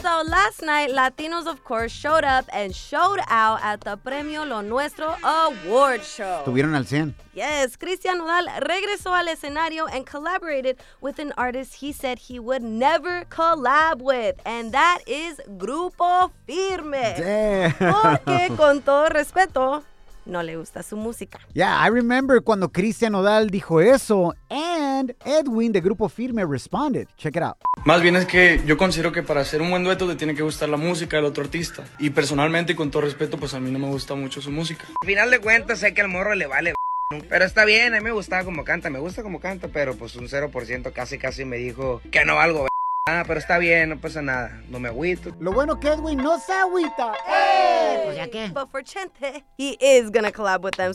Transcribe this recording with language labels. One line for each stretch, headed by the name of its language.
English: So last night, Latinos, of course, showed up and showed out at the Premio Lo Nuestro Award Show.
Spanish: Estuvieron al 100.
English: Yes, Cristian Nodal
Spanish: regresó al escenario
English: and collaborated with an artist he said he would never collab with, and that is Grupo Firme. Damn.
Spanish: Porque con todo respeto, no le gusta su música.
English: Yeah, I remember
Spanish: cuando Cristian Nodal dijo eso,
English: and Edwin de Grupo Firme responded. Check it out.
Spanish: Más bien es que yo considero que para hacer un buen dueto te tiene que gustar la música del otro artista. Y personalmente, y con todo respeto, pues a mí no me gusta mucho su música. Al final de cuentas, sé que al morro le vale. Pero está bien, a mí me gustaba como canta, me gusta como canta, pero pues un 0% casi me dijo que no valgo. Ah, pero está bien, no pasa nada, no me agüito. Lo bueno que Edwin no se agüita. ¡Ey! ¿Ya qué?
English: But for Chente, he is gonna collab with them.